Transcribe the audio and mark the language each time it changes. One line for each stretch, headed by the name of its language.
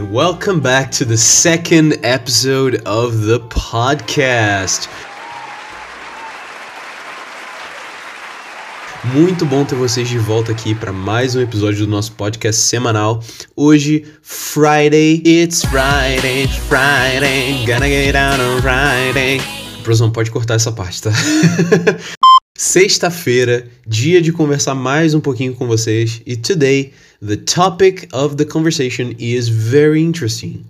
English: Welcome back to the second episode of the podcast.
Portuguese: Muito bom ter vocês de volta aqui para mais um episódio do nosso podcast semanal. Hoje, Friday.
English: It's Friday, Friday, gonna get out on Friday.
Portuguese: Prozão, pode cortar essa parte, tá? Sexta-feira, dia de conversar mais um pouquinho com vocês.
English: E today, the topic of the conversation is very interesting.